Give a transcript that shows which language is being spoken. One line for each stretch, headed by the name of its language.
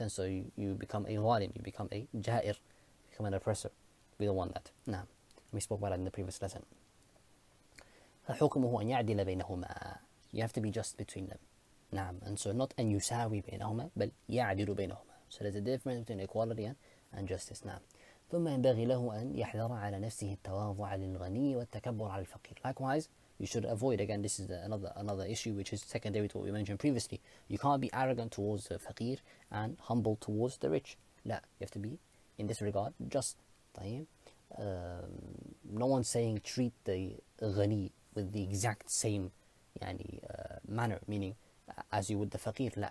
English: And so you become a walim, you become a ja'ir, you become an oppressor. We don't want that. Now, we spoke about that in the previous lesson.
Arabic: فَحُكْمُهُ أَنْ يَعْدِلَ بَيْنَهُمَا.
English: You have to be just between them. Naam. And so not
Arabic: أَنْ يُسَاوِي بَيْنَهُمَا, بَلْ يَعْدِلُ بَيْنَهُمَا.
English: So there's a difference between equality and justice.
Arabic: Naam. ثم ينبغي له أن يحذر على نفسه التواضع للغني والتكبر على الفقير.
English: Likewise, you should avoid, again, this is another issue which is secondary to what we mentioned previously. You can't be arrogant towards the faqir and humble towards the rich.
Arabic: لا,
English: you have to be, in this regard, just.
Arabic: طيب.
English: No one's saying treat the غني with the exact same manner, meaning as you would the faqir.